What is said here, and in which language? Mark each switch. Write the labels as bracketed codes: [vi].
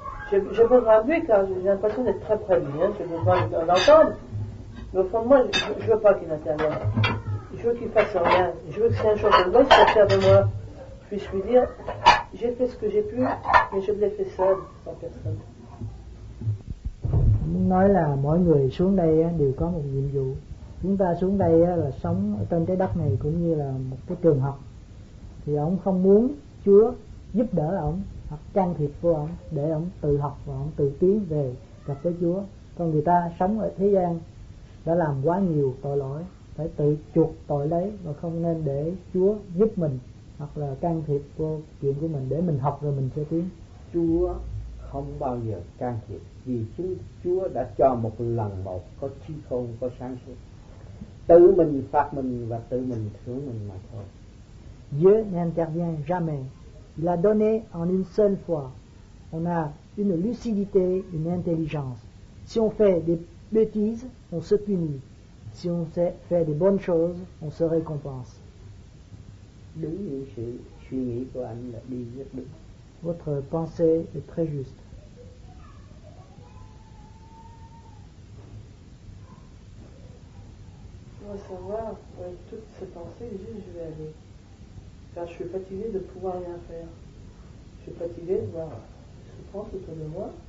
[fr] Je veux graver car j'ai l'impression d'être très près de lui, hein. Je ne veux pas l'entendre. Mais au fond de moi, je ne veux pas qu'il intervienne. Je veux qu'il fasse rien. Je veux que si un jour je le vois, il soit fier de moi. Puisse lui dire, j'ai fait ce que j'ai pu, mais je l'ai fait seul, sans personne. [vi] Nói là mọi người xuống đây đều có một nhiệm vụ. Chúng ta xuống đây là sống ở trên trái đất này cũng như là một cái trường học. Thì ông không muốn Chúa giúp đỡ ông hoặc can thiệp vô ông để ông tự học và ông tự tiến về gặp với Chúa. Còn người ta sống ở thế gian đã làm quá nhiều tội lỗi, phải tự chuộc tội lấy và không nên để Chúa giúp mình hoặc là can thiệp vô chuyện của mình để mình học rồi mình sẽ tiến. Chúa không bao giờ can thiệp vì Chúa đã cho một lần một có trí khôn, có sáng suốt. Tự mình phạt mình và tự mình thương mình mà thôi. [fr] Dieu n'intervient jamais. Il a donné en une seule fois. On a une lucidité, une intelligence. Si on fait des bêtises, on se punit. Si on fait des bonnes choses, on se récompense. [vi] Đúng như sự suy nghĩ của anh là đi rất đúng. [fr] Votre pensée est très juste. Pour savoir avec toutes ces pensées, juste je vais aller. Car je suis fatigué de pouvoir rien faire. Je suis fatigué de voir souffrance autour de moi.